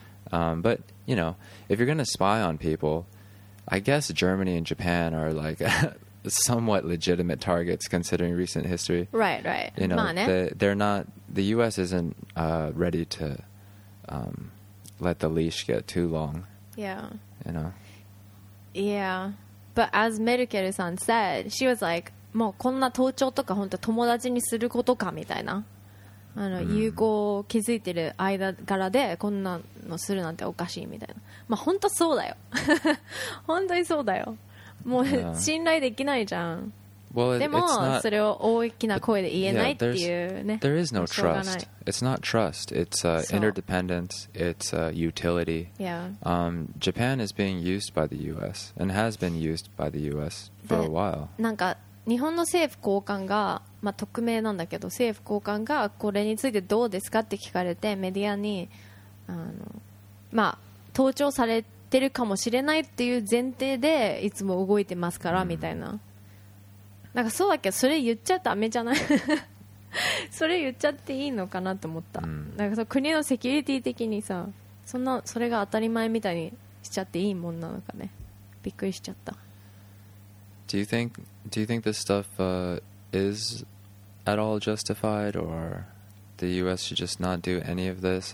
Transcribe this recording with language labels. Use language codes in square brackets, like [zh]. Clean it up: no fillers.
[en] But, you know, if you're going to spy on people, I guess Germany and Japan are like somewhat legitimate targets considering recent history. Right, right. You know, they're not, the U.S. isn't ready to... let the leash get too long. Yeah. You know? Yeah. But as Merkel-san said, she was like, [ja] もうこんな盗聴とか本当友達にすることかみたいな、あの友好を築いてる間柄でこんなのするなんておかしいみたいな、まあ、本当そうだよ本当にそうだよ、もう信頼できないじゃん。 [en] Well, [ja] でも [en] not, [ja] それを大きな声で言えないっていうね。 [en] There is no trust. It's not trust. It's interdependence. It's utility. Yeah. Japan is being used by the U.S. and has been used by the U.S. for a while. [ja] なんか日本の政府高官が、まあ、匿名なんだけど、政府高官がこれについてどうですかって聞かれて、メディアにあの、まあ、盗聴されてるかもしれないっていう前提でいつも動いてますから、mm. みたいな。なんかそうだっけ、それ言っちゃダメじゃないそれ言っちゃっていいのかなと思った、うん、なんかそう国のセキュリティ的にさ、そんなそれが当たり前みたいにしちゃっていいもんなのかね、びっくりしちゃった。 [en] Do you think this stuff is at all justified, or the US should just not do any of this?